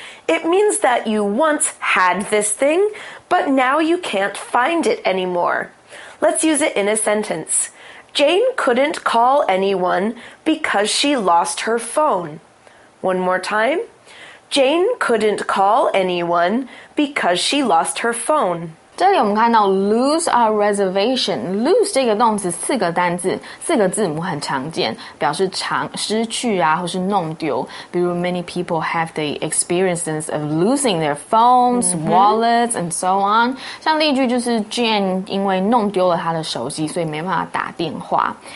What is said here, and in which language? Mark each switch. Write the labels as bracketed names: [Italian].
[English] It means that you once had this thing, but now you can't find it anymore. Let's use it in a sentence. Jane couldn't call anyone because she lost her phone. One more time. Jane couldn't call anyone because she lost her phone. [Chinese] 这里我们看到 [English] lose our reservation. [Chinese] Lose 这个动词四个单字，四个字母很常见，表示失去啊，或是弄丢。 [English] 比如 many people have the experiences of losing their phones,、mm-hmm. wallets, and so on. [Chinese] 像例句就是 Jane 因为弄丢了她的手机，所以没办法打电话。